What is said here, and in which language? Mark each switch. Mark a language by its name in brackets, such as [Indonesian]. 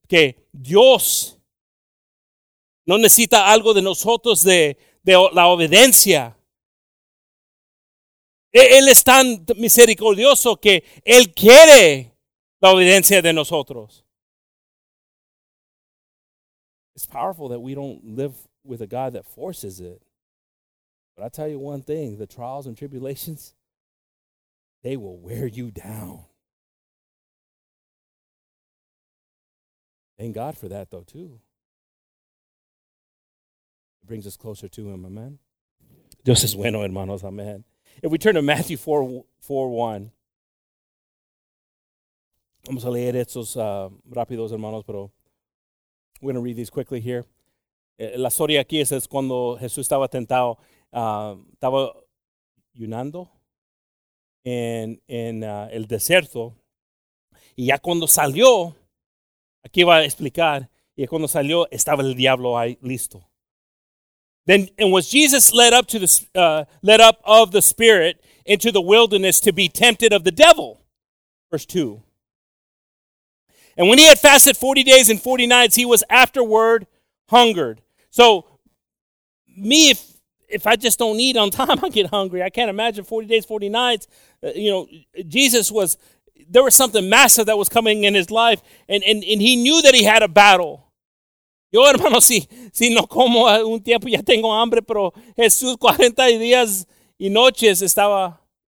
[Spanish] que Dios no necesita algo de nosotros de la obediencia. Él es tan misericordioso que Él quiere la obediencia de nosotros. [English] It's powerful that we don't live with a God that forces it. But I tell you one thing, the trials and tribulations, they will wear you down. Thank God for that, though, too. It brings us closer to Him, amen? [Spanish] Dios es bueno, hermanos, amen. [English] If we turn to Matthew 4:1, [Spanish] vamos a leer estos rápidos, hermanos, pero [English] we're going to read these quickly here. [Spanish] La historia aquí es cuando Jesús estaba tentado, estaba ayunando en el desierto, y ya cuando salió, aquí va a explicar, y cuando salió, estaba el diablo ahí listo. [English] Then and was Jesus led up of the Spirit into the wilderness to be tempted of the devil. Verse 2. And when he had fasted 40 days and 40 nights, he was afterward hungered. So me, if I just don't eat on time, I get hungry. I can't imagine 40 days, 40 nights. You know, Jesus was, there was something massive that was coming in his life, and he knew that he had a battle. [Spanish] Yo, hermano, si no como un tiempo, ya tengo hambre, pero Jesús 40 días y noches estaba